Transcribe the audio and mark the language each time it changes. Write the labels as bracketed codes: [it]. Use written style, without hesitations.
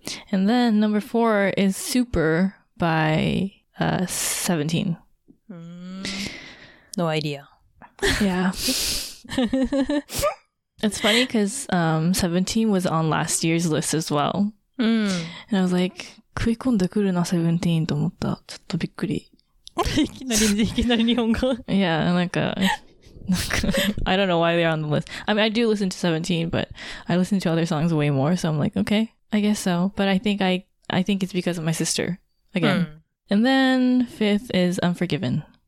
[en] And then number four is Super by 17. No idea. Yeah. It's funny because 17 was on last year's list as well. Mm. And I was like, [ja] 食い込んでくるな、17と思った。ちょっとびっくり。いきなり日本語。 [en] Yeah, なんか I don't know why they're on the list. I mean, I do listen to 17, but I listen to other songs way more, so I'm like, okay, I guess so. But I think it's because of my sister, again. Mm. And then fifth is Unforgiven.